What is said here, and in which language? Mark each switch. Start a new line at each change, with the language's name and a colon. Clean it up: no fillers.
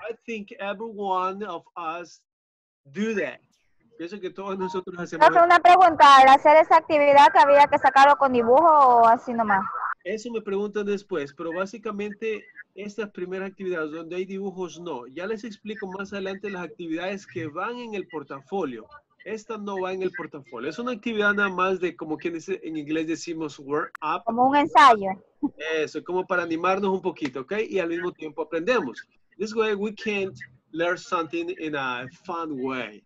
English: I think every one of us do that.
Spanish: Pienso que todos nosotros hacemos. Hace una pregunta, al hacer esa actividad que había que sacarlo con dibujo o así nomás. Eso me preguntan después, pero básicamente estas primeras actividades donde hay dibujos no. Ya les explico más adelante las actividades que van en el portafolio. Esta no va en el portafolio. Es una actividad nada más de, como quien dice, en inglés decimos work up. Como un ensayo. Eso, como para animarnos un poquito, ¿ok? Y al mismo tiempo aprendemos.
English: This way we can't learn something in a fun way.